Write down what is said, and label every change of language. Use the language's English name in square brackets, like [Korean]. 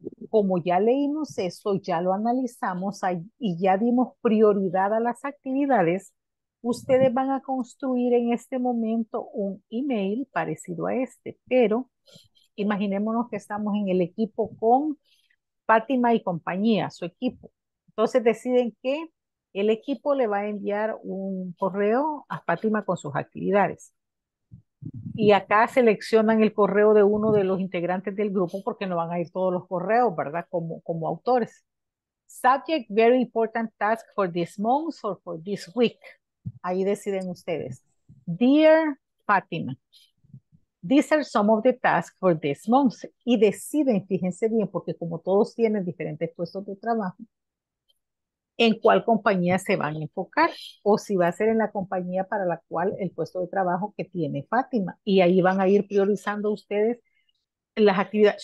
[Spanish] Como ya leímos eso, ya lo analizamos y ya dimos prioridad a las actividades, ustedes van a construir en este momento un email parecido a este, pero imaginémonos que estamos en el equipo con Fátima y compañía, su equipo. Entonces deciden que el equipo le va a enviar un correo a Fátima con sus actividades. Y acá seleccionan el correo de uno de los integrantes del grupo porque no van a ir todos los correos, ¿verdad? Como autores. Subject, very important task for this month or for this week. Ahí deciden ustedes. [English] Dear Fátima, these are some of the tasks for this month. [Spanish] Y deciden, fíjense bien, porque como todos tienen diferentes puestos de trabajo, en cuál compañía se van a enfocar o si va a ser en la compañía para la cual el puesto de trabajo que tiene Fátima. Y ahí van a ir priorizando ustedes las actividades.